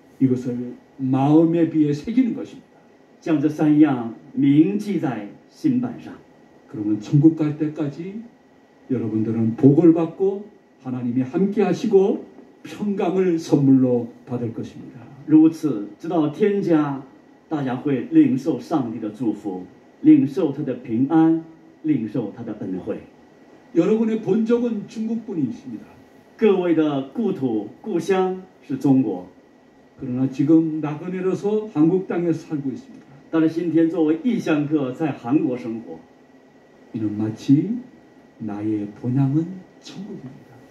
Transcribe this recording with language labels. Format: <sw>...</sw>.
<ko>이것을 마음에 비해 새기는 것입니다.</ko> <zh>将这三样铭记在心板上。</zh> <ko>그러면 천국 갈 때까지 여러분들은 복을 받고 하나님이 함께 하시고 평강을 선물로 받을 것입니다.</ko> <zh>如此直到天家大家会领受上帝的祝福领受他的平安领受他的恩惠。</zh> <ko>여러분의 본적은 중국뿐이십니다.</ko> <zh>各位的故土故乡是中国。</zh> <ko>그러나 지금 나그네로서 한국 땅에 살고 있습니다.</ko> <zh>但是今天作为异乡客在韩国生活。</zh> <ko>이는 마치 나의 본향은 천국입니다.</ko>